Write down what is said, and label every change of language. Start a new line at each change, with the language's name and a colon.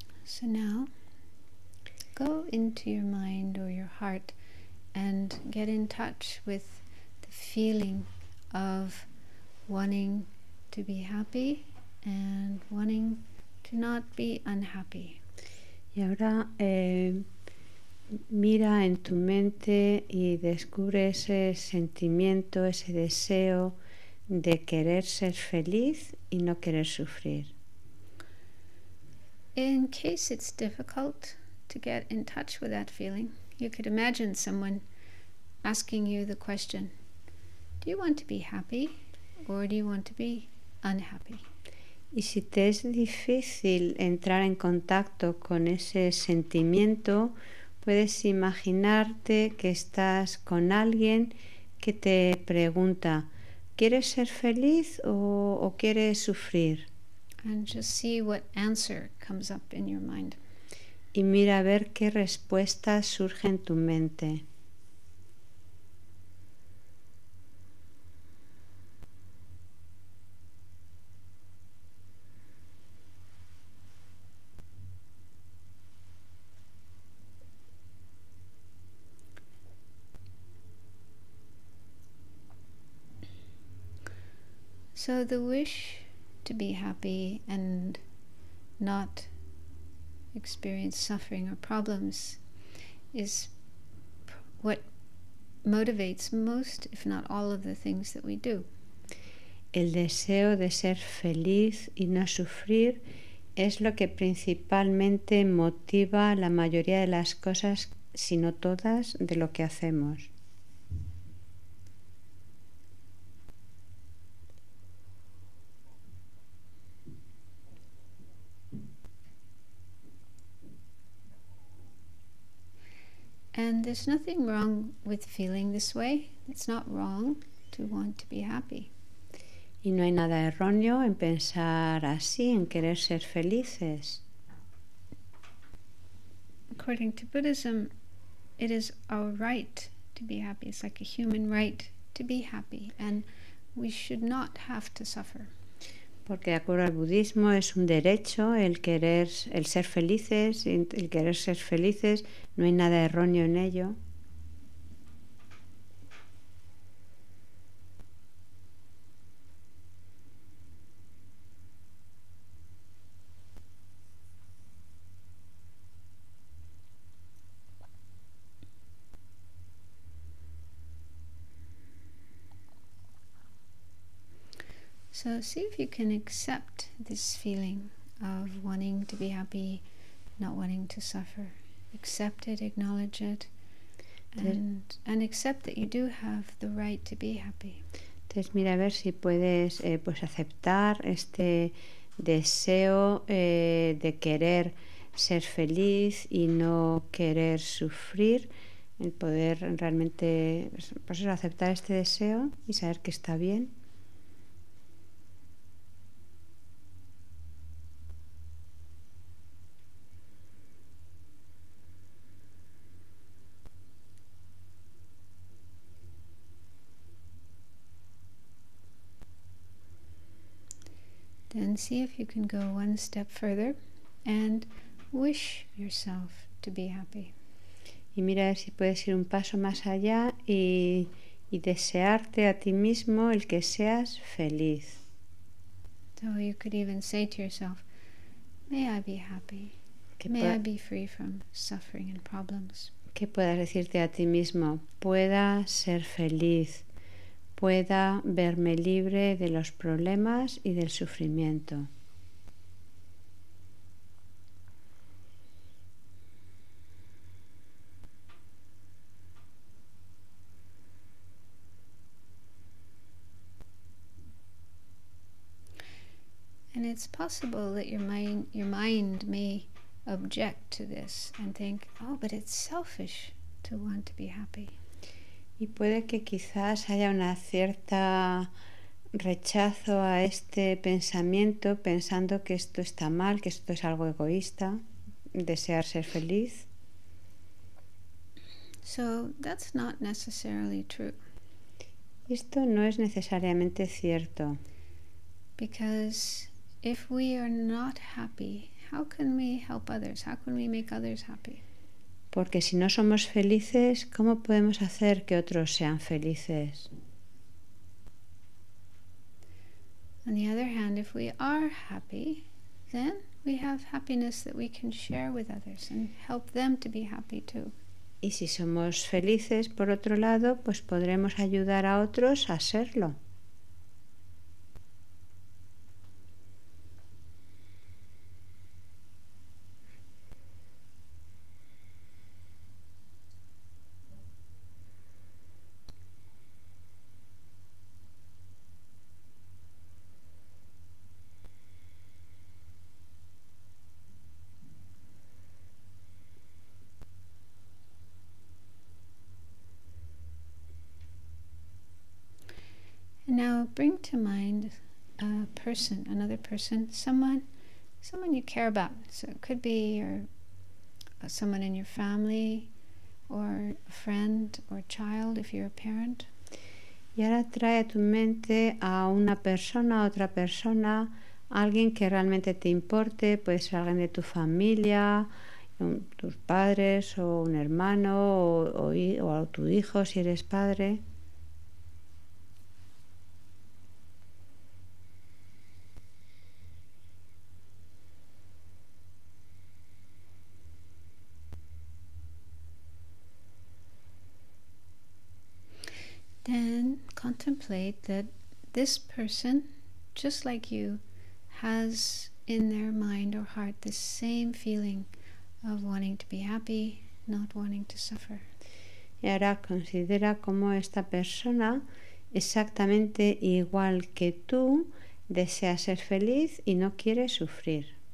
English: So now, go into your mind or your heart and get in touch with the feeling of wanting to be happy and wanting to not be unhappy.
Spanish: Y ahora mira en tu mente y descubre ese sentimiento, ese deseo de querer ser feliz y no querer sufrir.
English: In case it's difficult to get in touch with that feeling, you could imagine someone asking you the question, do you want to be happy or do you want to be unhappy?
Spanish: Y si te es difícil entrar en contacto con ese sentimiento, puedes imaginarte que estás con alguien que te pregunta, ¿quieres ser feliz o quieres sufrir?
English: And just see what answer comes up in your mind.
Spanish: Y mira a ver qué respuesta surge en tu mente.
English: So the wish to be happy and not experience suffering or problems is what motivates most, if not all, of the things that we do.
Spanish: El deseo de ser feliz y no sufrir es lo que principalmente motiva la mayoría de las cosas, si no todas, de lo que hacemos.
English: And there's nothing wrong with feeling this way. It's not wrong to want to be happy.
Spanish: Y no hay nada erróneo en pensar así, en querer ser felices.
English: According to Buddhism, it is our right to be happy. It's like a human right to be happy, and we should not have to suffer.
Spanish: Porque de acuerdo al budismo es un derecho el querer ser felices, no hay nada erróneo en ello.
English: So see if you can accept this feeling of wanting to be happy, not wanting to suffer. Accept it, acknowledge it, and accept that you do have the right to be happy.
Spanish: Entonces mira a ver si puedes pues aceptar este deseo de querer ser feliz y no querer sufrir, el poder realmente pues aceptar este deseo y saber que está bien.
English: And see if you can go one step further and wish yourself to be happy.
Spanish: Y mira si puedes ir un paso más allá y desearte a ti mismo el que seas feliz.
English: So you could even say to yourself, may I be happy, may I be free from suffering and problems.
Spanish: Que puedas decirte a ti mismo, pueda ser feliz, pueda verme libre de los problemas y del sufrimiento.
English: And it's possible that your mind may object to this and think, oh, but it's selfish to want to be happy.
Spanish: Y puede que quizás haya una cierta rechazo a este pensamiento, pensando que esto está mal, que esto es algo egoísta, desear ser feliz.
English: So that's not necessarily true.
Spanish: Esto no es necesariamente cierto.
English: Because if we are not happy, How can we help others? How can we make others happy?
Spanish: Porque si no somos felices, ¿cómo podemos hacer que otros sean felices?
English: On the other hand, if we are happy, then we have happiness that we can share with others and help them to be happy too.
Spanish: Y si somos felices, por otro lado, pues podremos ayudar a otros a serlo.
English: Now bring to mind a person, another person, someone you care about. So it could be someone in your family, or a friend, or a child, if you're a parent.
Spanish: Y ahora trae a tu mente a una persona, a otra persona, alguien que realmente te importe. Puede ser alguien de tu familia, tus padres, o un hermano, o tu hijo, si eres padre.
English: Contemplate that this person, just like you, has in their mind or heart the same feeling of wanting to be happy, not wanting to suffer.
Spanish: Y ahora considera cómo esta persona, exactamente igual que tú, desea ser feliz y no quiere sufrir.